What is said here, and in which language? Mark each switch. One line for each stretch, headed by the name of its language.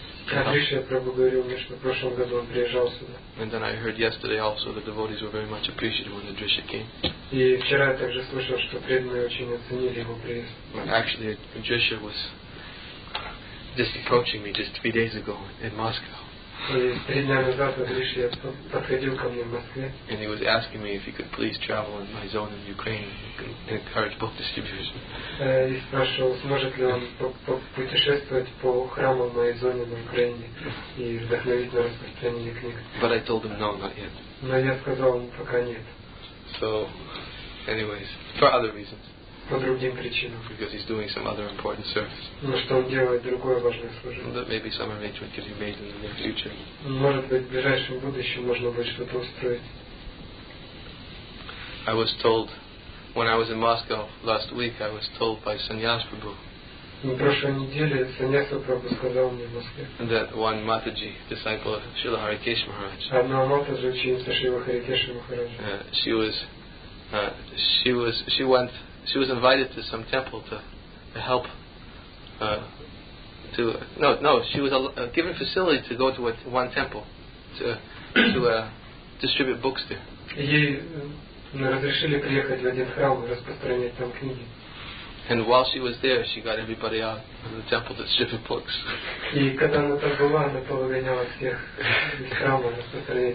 Russian: Адриша Прабху говорил мне, что в прошлом году он приезжал сюда.
English: And then I heard yesterday also that devotees were very much appreciative when Adrisha came.
Russian: И вчера я также слышал, что преданные очень оценили его приезд.
English: Actually, Adrisha was just approaching me just 3 days ago in Moscow. And he was asking me if he could please travel in my zone in Ukraine and encourage book distribution.
Russian: И спрашивал, сможет ли он путешествовать по храмам моей зоне на Украине и вдохновить на распространение книг.
English: But I told him no, not yet.
Russian: Но я сказал ему пока нет.
English: So, anyways, for other reasons.
Russian: По другим причинам.
English: Because he's doing some other important service.
Russian: Но что он делает другое важное служение.
English: That maybe some arrangement could be made in the near future.
Russian: Может быть, в ближайшем будущем можно будет что-то устроить.
English: I was told, when I was in Moscow last week, I was told by Sannyas Prabhu.
Russian: На прошлой неделе Саньяса Прабху сказал мне в Москве.
English: That one Mataji, disciple of Srila Harikesh Maharaj.
Russian: Одна Матаджи, ученица Шрила Харикеша Махараджа.
English: She was invited to some temple to help. She was given facility to go to one temple to distribute books there.
Russian: Ей разрешили приехать в один храм и распространять там книги.
English: And while she was there, she got everybody out of the temple to distribute books.
Russian: И когда она там была, она повыгоняла всех из храма распространять